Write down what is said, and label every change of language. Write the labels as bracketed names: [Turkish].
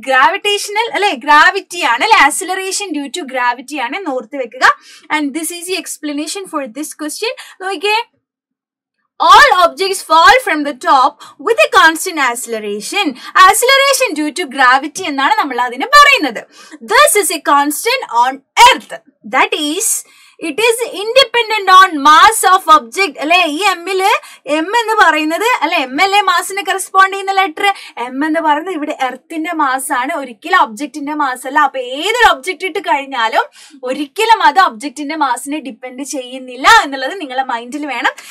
[Malayalam] Gravitational അല്ലെ, gravity ആണ് അല്ലെ, ആക്സിലറേഷൻ ഡ്യൂ ടു ഗ്രാവിറ്റി ആണ് എന്ന് ഓർത്ത് വെക്കുക. [English] And this is the explanation for this question. [Malayalam] നോക്കിയേ, [English] all objects fall from the top with a constant acceleration. [Malayalam] Acceleration due to gravity എന്നാണ് നമ്മൾ അതിനെ പറയുന്നത്. [English] This is a constant on earth, that is it is independent on mass of object. [Malayalam] അല്ലെ, ഈ എമ്മില് M എന്ന് പറയുന്നത് അല്ലെ, എം അല്ലെ മാസിനെ കറസ്പോണ്ട് ചെയ്യുന്ന ലെറ്റർ. എം എന്ന് പറയുന്നത് ഇവിടെ എർത്തിന്റെ മാസ് ആണ്, ഒരിക്കലും ഒബ്ജക്റ്റിന്റെ മാസ് അല്ല. അപ്പൊ ഏതൊരു ഒബ്ജക്റ്റ് ഇട്ട് കഴിഞ്ഞാലും ഒരിക്കലും അത് ഒബ്ജക്റ്റിന്റെ മാസിനെ ഡിപ്പെൻഡ് ചെയ്യുന്നില്ല എന്നുള്ളത് നിങ്ങളെ മൈൻഡിൽ വേണം.